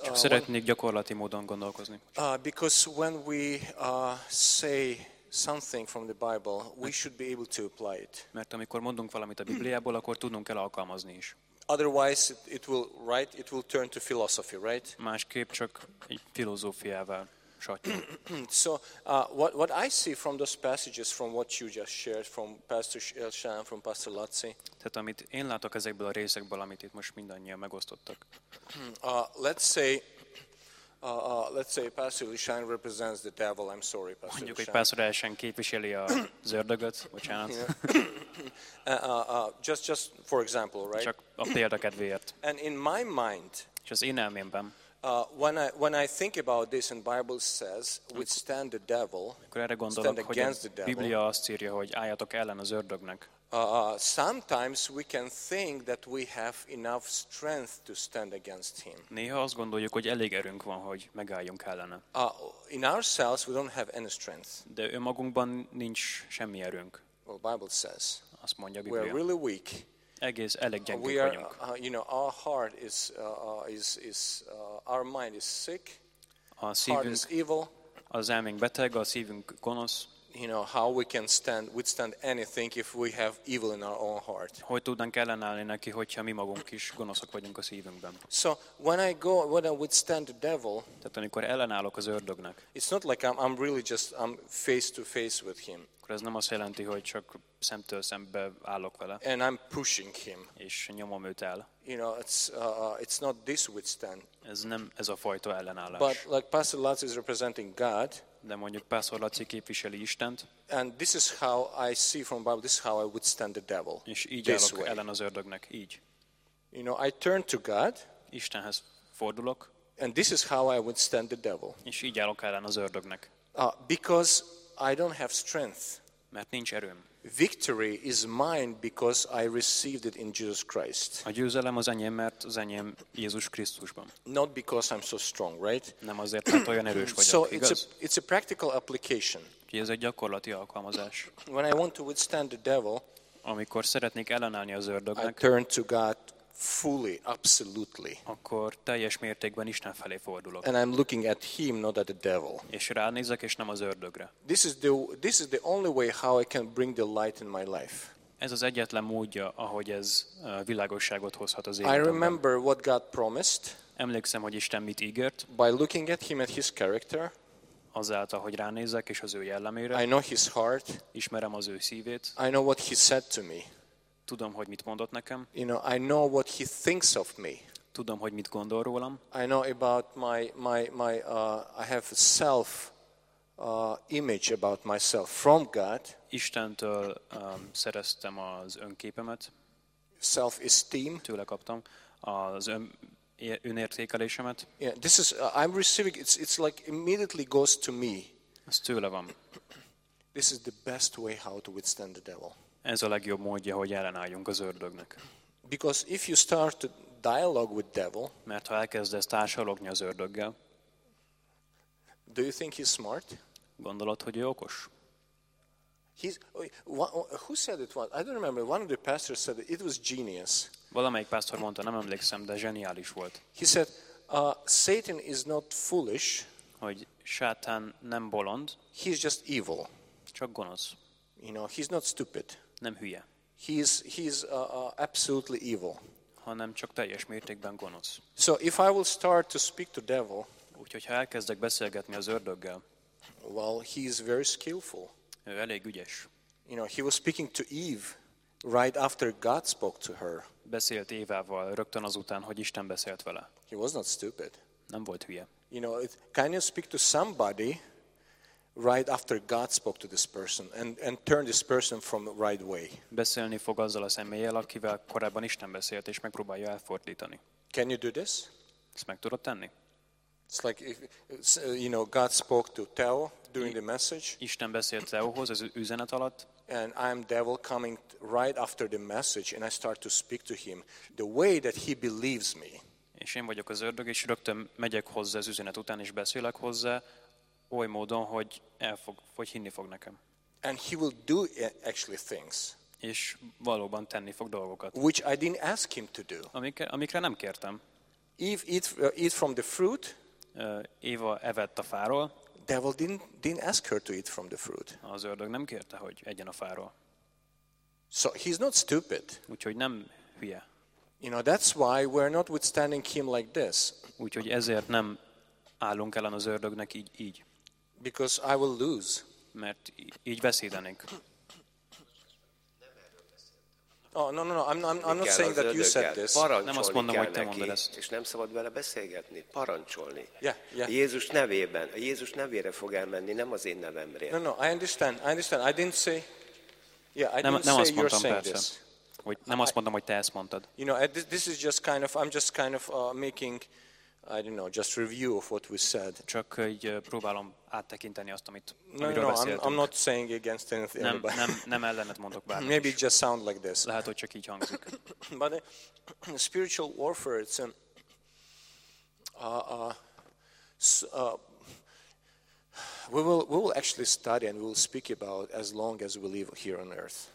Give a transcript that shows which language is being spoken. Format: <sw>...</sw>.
<hu>csak szeretnék gyakorlati módon gondolkozni.</hu> <en>Because when we say something from the Bible, we should be able to apply it.</en> <hu>Mert amikor mondunk valamit a Bibliából, akkor tudnunk kell alkalmazni is.</hu> <en>Otherwise it will turn to philosophy, right?</en> <hu>Másképp csak filozófiával.</hu> <en>So what I see from those passages, from what you just shared, from Pastor Elshan, from Pastor Laci.</en> <hu>Tehát amit én látok ezekből a részekből, amit itt most mindannyian megosztottak.</hu> <en>Let's say Pastor Elshan represents the devil. I'm sorry, Pastor.</en> <hu>Mondjuk, hogy Pastor Elshan képviseli a ördögöt, bocsánat.</hu> <en>just for example, right?</en> <hu>Csak a példa kedvéért.</hu> <en>And in my mind.</en> <hu>És az én elmémben.</hu> <en>When I think about this and Bible says withstand the devil, stand against the devil.</en> <hu>Biblia azt írja, hogy álljatok ellen az ördögnek.</hu> <en>Sometimes we can think that we have enough strength to stand against him.</en> <hu>Néha azt gondoljuk, hogy elég erőnk van, hogy megálljunk ellene.</hu> <en>In ourselves we don't have any strength.</en> <hu>De önmagunkban nincs semmi erőnk.</hu> <en>Well, Bible says.</en> <hu>Azt mondja a</hu> <en>Biblia. We are really weak.</en> <hu>Egész elég gyengék vagyunk.</hu> <en>You know, our heart is our mind is sick.</en> <hu>A szívünk,</hu> <en>heart is evil.</en> <hu>Az elménk beteg, a szívünk gonosz.</hu> <en>You know, how we can withstand anything if we have evil in our own heart.</en> <hu>Hogy tudnánk ellenállni neki, hogyha mi magunk is gonoszak vagyunk a szívünkben.</hu> <en>So when I withstand the devil,</en> <hu>tehát amikor ellenállok az ördögnek,</hu> <en>it's not like I'm really just I'm face to face with him.</en> <hu>Akkor ez nem azt jelenti, hogy csak szemtől szembe állok vele.</hu> <en>And I'm pushing him.</en> <hu>És nyomom őt el.</hu> <en>You know, it's not this withstand.</en> <hu>Ez nem ez a fajta ellenállás.</hu> <en>But like Pastor Laci is representing God.</en> <hu>De mondjuk Pastor Laci képviseli Istent.</hu> <en>And this is how I see from Bible, this is how I withstand the devil.</en> <hu>És így állok ellen az ördögnek, így.</hu> <en>You know, I turn to God.</en> <hu>Istenhez fordulok.</hu> <en>And this is how I withstand the devil.</en> <hu>És így állok ellen az ördögnek.</hu> <en>Because I don't have strength.</en> <hu>Mert nincs erőm.</hu> <en>Victory is mine because I received it in Jesus Christ.</en> <hu>A győzelem az enyém, mert az enyém Jézus Krisztusban.</hu> <en>Not because I'm so strong, right?</en> <hu>Nem azért, mert olyan erős vagyok,</hu> <en>so</en> <hu>igaz?</hu> <en>It's a practical application.</en> <hu>Ez egy gyakorlati alkalmazás.</hu> <en>When I want to withstand the devil,</en> <hu>amikor szeretnék ellenállni az ördögnek,</hu> <en>I turn to God fully, absolutely.</en> <hu>Akkor teljes mértékben Isten felé fordulok.</hu> <en>And I'm looking at him, not at the devil.</en> <hu>És ránézek, és nem az ördögre.</hu> <en>This is the only way how I can bring the light in my life.</en> <hu>Ez az egyetlen módja, ahogy ez világosságot hozhat az életben.</hu> <en>I remember what God promised.</en> <hu>Emlékszem, hogy Isten mit ígért.</hu> <en>By looking at him, at his character.</en> <hu>Azáltal, hogy ránézek, és az ő jellemére.</hu> <en>I know his heart.</en> <hu>Ismerem az ő szívét.</hu> <en>I know what he said to me.</en> <hu>Tudom, hogy mit mondott nekem.</hu> <en>You know, I know what he thinks of me.</en> <hu>Tudom, hogy mit gondol rólam.</hu> <en>I know about my I have a self image about myself from God.</en> <hu>Istentől szereztem az önképemet.</hu> <en>Self esteem.</en> <hu>Tőle kaptam az önértékelésemet.</hu> <en>Yeah, this is I'm receiving, it's like immediately goes to me.</en> <hu>Ez tőle van.</hu> <en>This is the best way how to withstand the devil.</en> <hu>Ez a legjobb módja, hogy ellenálljunk az ördögnek.</hu> <en>Because if you start to dialogue with devil,</en> <hu>mert ha elkezdesz társalogni az ördöggel,</hu> <en>do you think he's smart?</en> <hu>Gondolod, hogy ő okos?</hu> <en>Who said it was? I don't remember. One of the pastors said it was genius.</en> <hu>Valamelyik pásztor mondta, nem emlékszem, de zseniális volt.</hu> <en>He said, Satan is not foolish.</en> <hu>Hogy Sátán nem bolond.</hu> <en>He is just evil.</en> <hu>Csak gonosz.</hu> <en>You know, he's not stupid.</en> <hu>Nem hülye.</hu> <en>He's absolutely evil.</en> <hu>Hanem csak teljes mértékben gonosz.</hu> <en>So if I will start to speak to devil.</en> <hu>Úgyhogy ha elkezdek beszélgetni az ördöggel.</hu> <en>Well, he is very skillful.</en> <hu>Ő elég ügyes.</hu> <en>You know, he was speaking to Eve right after God spoke to her.</en> <hu>Beszélt Évával rögtön azután, hogy Isten beszélt vele.</hu> <en>He was not stupid.</en> <hu>Nem volt hülye.</hu> <en>You know, can you speak to somebody right after God spoke to this person and turn this person from the right way?</en> <hu>Beszélni fog azzal a személlyel, akivel korábban Isten beszélt, és megpróbálja elfordítani.</hu> <en>Can you do this?</en> <hu>Ezt meg tudod tenni?</hu> <en>It's like if, you know, God spoke to Theo during the message.</en> <hu>Isten beszélt Theohoz az üzenet alatt.</hu> <en>And I'm devil coming right after the message and I start to speak to him the way that he believes me.</en> <hu>És én vagyok az ördög, és rögtön megyek hozzá az üzenet után, és beszélek hozzá oly módon, hogy hogy hinni fog nekem.</hu> <en>And he will do actually things.</en> <hu>És valóban tenni fog dolgokat.</hu> <en>Which I didn't ask him to do.</en> <hu>Amikre nem kértem.</hu> <en>Eat from the fruit.</en> <hu>Éva evett a fáról.</hu> <en>Devil didn't ask her to eat from the fruit.</en> <hu>Az ördög nem kérte, hogy egyen a fáról.</hu> <en>So he's not stupid.</en> <hu>Úgyhogy nem hülye.</hu> <en>You know, that's why we're not withstanding him like this.</en> <hu>Úgyhogy ezért nem állunk ellen az ördögnek így.</hu> <en>Because I will lose.</en> <hu>Mert így veszítenék.</hu> <en>Oh, no, I'm not saying that you said this.</en> <hu>Nem azt mondom, hogy te mondod ezt. És nem szabad vele beszélgetni, parancsolni.</hu> <en>Yeah.</en> <hu>Jézus nevében, a Jézus nevére fog elmenni, nem az én nevemre.</hu> <en>No, I understand. I didn't say you're saying this.</en> <hu>Hogy nem azt mondtam, hogy te ezt mondtad.</hu> <en>You know, this is just kind of, I'm just kind of making, I don't know, just review of what we said.</en> <hu>Csak egy próbálom áttekinteni azt, amit beszéltünk.</hu> <en>I'm not saying against anything.</en> <hu>Nem ellenet mondok bármit.</hu> <en>Maybe it just sound like this.</en> <hu>Lehet, hogy csak így hangzik.</hu> <en>But spiritual warfare, it's a we will actually study and we'll speak about as long as we live here on earth.</en>